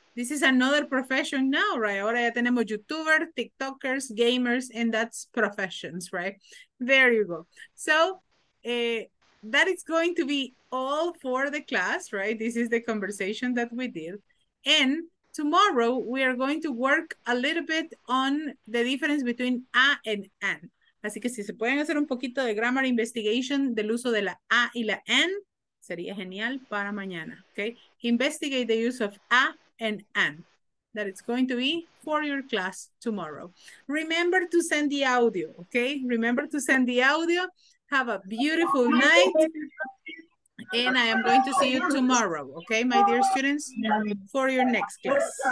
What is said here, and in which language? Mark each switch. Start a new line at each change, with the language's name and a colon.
English: This is another profession now, right?
Spanish: Ahora ya tenemos
English: YouTubers, TikTokers, gamers, and that's professions, right? There you go. So that is going to be all for the class, right? This is the conversation that we did. And tomorrow, we are going to work a little bit on the difference between a and an.
Spanish: Así que si se pueden hacer un poquito de
English: grammar investigation
Spanish: del uso de la a y la an, sería genial para mañana.
English: Okay? Investigate the use of a and an. That it's going to be for your class tomorrow. Remember to send the audio. Okay? Remember to send the audio. Have a beautiful night. And I am going to see you tomorrow, okay, my dear students, for your next class.